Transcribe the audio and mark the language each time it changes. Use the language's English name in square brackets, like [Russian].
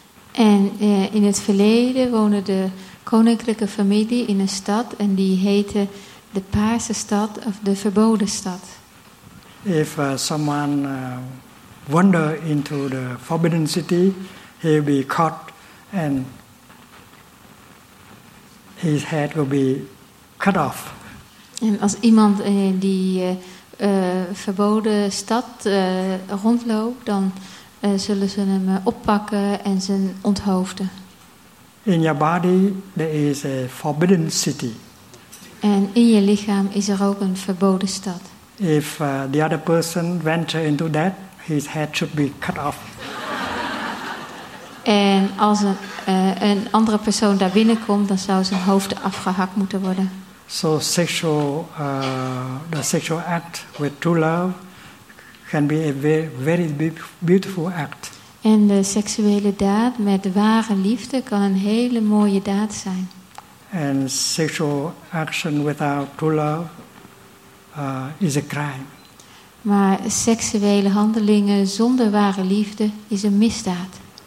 [Dutch] En in het verleden woonde de koninklijke familie in een stad en die heette de paarse stad of de verboden stad. [English] If someone wander into the forbidden city, he will be caught and his head will be cut off. [Dutch] En als iemand die verboden stad rondloopt, dan zullen ze hem oppakken en ze onthoofden. [English] In your body there is a forbidden city. [Dutch] En in je lichaam is er ook een verboden stad. [English] If the other person venture into that, his head should be cut off. [Dutch] En als een andere persoon daar binnenkomt, dan zou zijn hoofd afgehakt moeten worden. [English] So the sexual act with true love can be a very, very beautiful act. [Dutch] En de seksuele daad met ware liefde kan een hele mooie daad zijn. [English] And sexual action without true love is a crime. [Dutch] Maar seksuele handelingen zonder ware liefde is een misdaad.